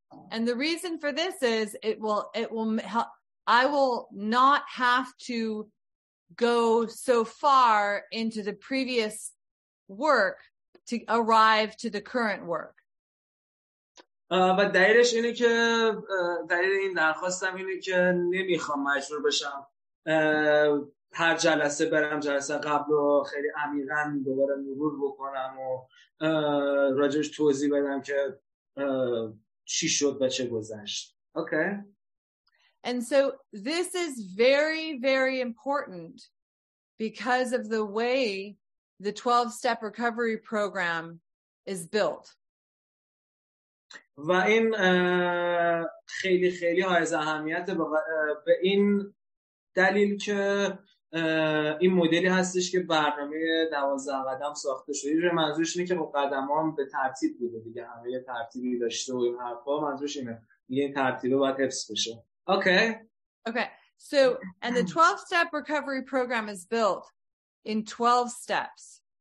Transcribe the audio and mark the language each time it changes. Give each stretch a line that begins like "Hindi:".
English: And the reason for this is it will help. I will not have to go so far into the previous work to arrive to the current work.
Persian: و دلیلش اینه که دلیل این درخواستم اینه که نمیخوام مجبور بشم هر جلسه برم جلسه قبل و خیلی عمیقا دوباره مرور بکنم و راجعش توضیح بدم که چی شد و چه گذشت.
English: Okay. And so this is very, very important because of the way the 12-step recovery program is built.
Persian: و این خیلی خیلی حائز اهمیت به این دلیل که این مدلی هستش که برنامه 12 قدم ساخته شده. این منظورش اینه که قدم‌ها هم به ترتیب بوده دیگه، همه یه ترتیبی داشته و این حرفا، منظورش اینه یه ترتیبه باید حفظ بشه.
English: Okay. So, and the 12-step recovery program is built in 12 steps.